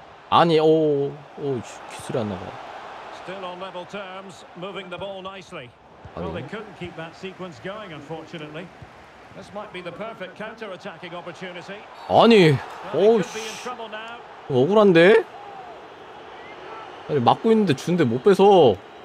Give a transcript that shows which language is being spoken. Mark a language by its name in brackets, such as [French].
[Korean] 아니, 오, 오, 기술이 안 나가. [English] Still on level terms, moving the ball nicely. [Korean] 아니. [English] Well, they couldn't keep that sequence going, unfortunately. This might be the perfect counter-attacking opportunity. [Korean] 아니, 오우씨, 억울한데? 아니, 막고 있는데 주는데 못 뺏어.